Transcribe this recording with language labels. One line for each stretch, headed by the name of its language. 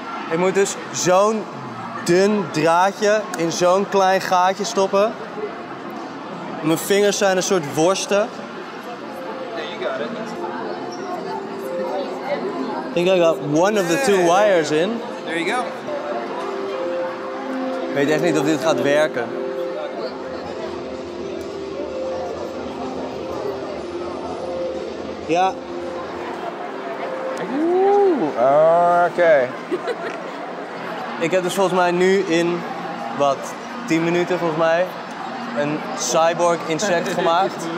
Dutch: Je moet dus zo'n dun draadje in zo'n klein gaatje stoppen. Mijn vingers zijn een soort worsten.
English: Yeah, you got it. I think I got one of the two wires in. There you go.
Dutch: Ik weet echt niet of dit gaat werken. Ja. Oeh, okay. Ik heb dus volgens mij nu in wat 10 minuten volgens mij een cyborg insect gemaakt.